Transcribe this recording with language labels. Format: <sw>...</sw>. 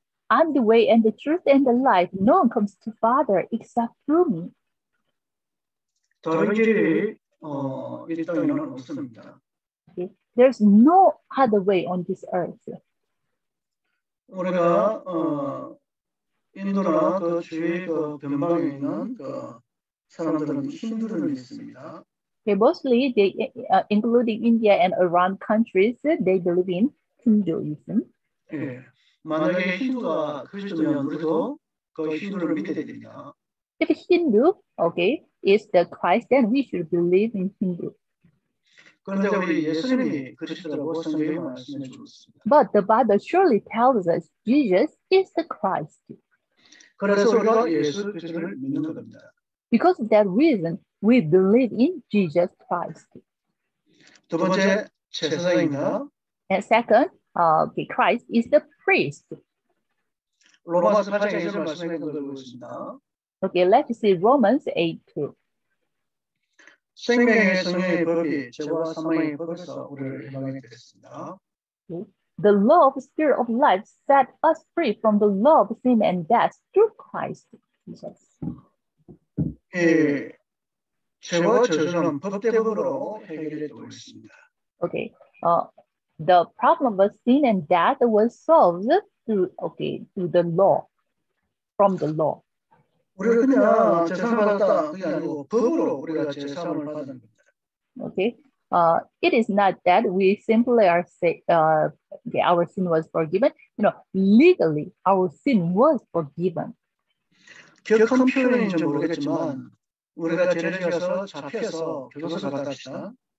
<en>I'm the way and the truth and the life. No one comes to Father except through me.</en> <ko>다른 길이 있다면 없습니다.</ko> <en>Okay. There's no other way on this earth.</en> <ko>우리가 인도나 그 주위 그 변방에 있는 그 사람들은 힌두를 믿습니다.</ko> <en>Okay, mostly, they, including India and around countries, they believe in Hinduism.</en> <ko>예, 만약에 힌두가 그리스도면 우리도 그 힌두를 믿게 됩니다.</ko> <en>If Hindu, okay, is the Christ, then we should believe in Hindu.</en> <ko>그런데 우리 예수님이 그리스도라고 성경에 말씀해 주셨습니다.</ko> <en>But the Bible surely tells us Jesus is the Christ.</en> <ko>그래서 우리가 예수 그리스도를 믿는 겁니다.</ko> <en>Because of that reason, we believe in Jesus Christ.</en> <ko>두 번째 제사장입니다.</ko> <en>And second, the Christ is the priest.</en> <ko>로마서 8장 1절 말씀을 읽어보겠습니다.</ko> <en>Okay, let's see Romans 8:2.</en> <ko>생명의 성령의 법이 죄와 사망의 법에서 우리를 해방했습니다.</ko> <en>The law of the spirit of life set us free from the law of sin and death through Christ Jesus.</en> <ko>예, 죄와 저주는 법대법으로 해결되었습니다.</ko> <en>Okay, the problem of sin and death was solved through through the law, from the law.</en> <ko>우리가 그냥 제사를 받았다 그게 아니고 법으로 우리가 제사함을 받은 겁니다.</ko> <en>Okay. It is not that we simply are saying our sin was forgiven. You know, legally, our sin was forgiven.</en> <ko>격한 표현인지 모르겠지만, 우리가 죄를 지어서 잡혀서 교도소 갔다시다.</ko>